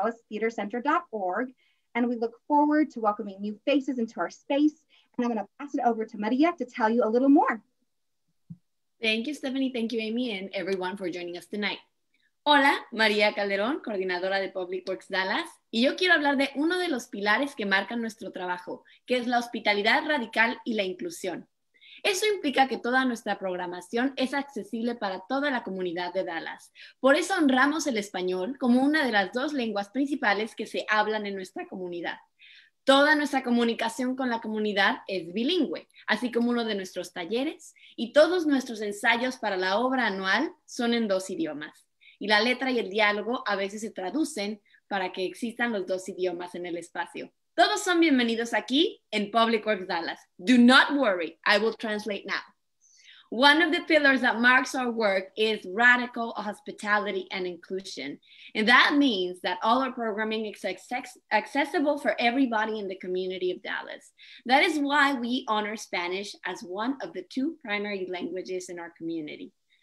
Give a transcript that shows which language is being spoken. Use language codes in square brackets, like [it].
[en] Stephanie.Cleghorn@DallasTheaterCenter.org. And we look forward to welcoming new faces into our space. And I'm gonna pass it over to Maria to tell you a little more. Thank you, Stephanie. Thank you, Amy, and everyone for joining us tonight. [es] Hola, Maria Calderon, Coordinadora de Public Works Dallas. Y yo quiero hablar de uno de los pilares que marcan nuestro trabajo, que es la hospitalidad radical y la inclusión. Eso implica que toda nuestra programación es accesible para toda la comunidad de Dallas. Por eso honramos el español como una de las dos lenguas principales que se hablan en nuestra comunidad. Toda nuestra comunicación con la comunidad es bilingüe, así como uno de nuestros talleres, y todos nuestros ensayos para la obra anual son en dos idiomas. Y la letra y el diálogo a veces se traducen para que existan los dos idiomas en el espacio. Todos son bienvenidos aquí en Public Works Dallas. [en] Do not worry, I will translate now. One of the pillars that marks our work is radical hospitality and inclusion. And that means that all our programming is accessible for everybody in the community of Dallas. That is why we honor Spanish as one of the two primary languages in our community.